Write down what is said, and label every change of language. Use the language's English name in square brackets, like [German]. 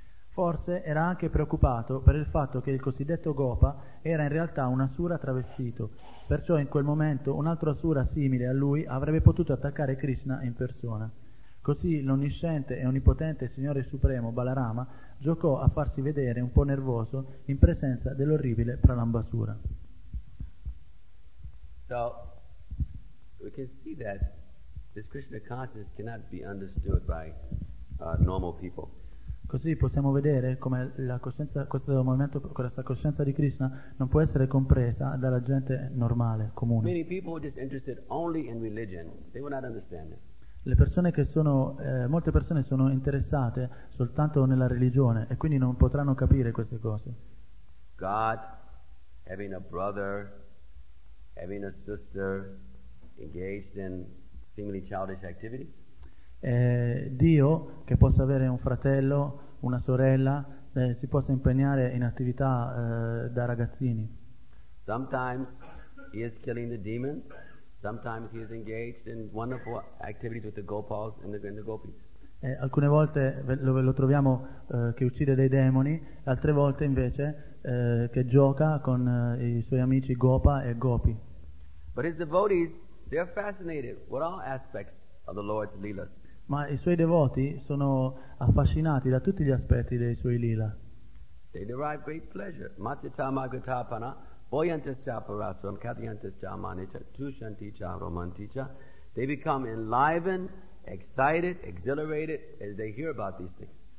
[Italian] Forse era anche preoccupato per il fatto che il cosiddetto Gopa era in realtà un asura travestito, perciò in quel momento un altro asura simile a lui avrebbe potuto attaccare Krishna in persona. Così l'onnisciente e onnipotente Signore Supremo Balarama giocò a farsi vedere un po' nervoso in presenza dell'orribile Pralambasura. [English] So, we can see that this Krishna consciousness cannot be understood by normal people. [Italian] Così possiamo vedere come la coscienza, questo movimento, questa coscienza di Krishna non può essere compresa dalla gente normale, comune. [English] Many people are just interested only in religion. They will not understand it. [Italian] Le persone che sono, molte persone sono interessate soltanto nella religione e quindi non potranno capire queste cose. [English] God, having a brother, having a sister, engaged in seemingly childish activities. [Italian] Dio, che possa avere un fratello, una sorella, si possa impegnare in attività da ragazzini. [English] Sometimes he is killing the demon. Sometimes he is engaged in wonderful activities with the gopals and the gopis. [Italian] Alcune volte lo troviamo che uccide dei demoni, altre volte invece che gioca con i suoi amici gopa e gopi. [English] But his devotees, they are fascinated with all aspects of the Lord's lila. [Italian] Ma i suoi devoti sono affascinati da tutti gli aspetti dei suoi lila. [English] They derive great pleasure. Matita magatapana. Boyantascha parasram, katyantascha manicha, tushanticha romanticha. They become enlivened, excited, exhilarated as they hear about these things.